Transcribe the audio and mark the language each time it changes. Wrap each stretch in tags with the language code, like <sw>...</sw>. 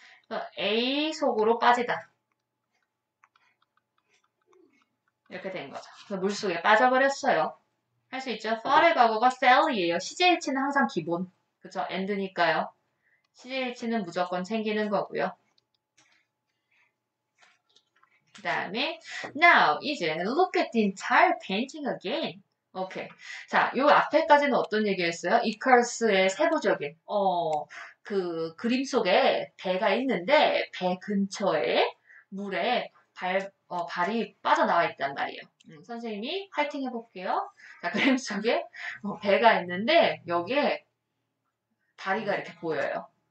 <ko>그래서 A 속으로 빠지다. 이렇게 된 거죠. 그래서 물 속에 빠져버렸어요. 할수 있죠? fall의 과거가 fell이에요. 시제일치는 항상 기본. 그쵸? end니까요. 시제일치는 무조건 챙기는 거고요. 그 다음에,</ko> <en>now,</en> <ko>이제,</ko> <en>look at the entire painting again.</en> <ko>오케이. 자, 요 앞에까지는 어떤 얘기 했어요? 이카로스의 세부적인, 그 그림 속에 배가 있는데, 배 근처에 물에 발이 빠져나와 있단 말이에요. 선생님이 화이팅 해볼게요. 자, 그림 속에 배가 있는데, 여기에 다리가 이렇게 보여요.</ko>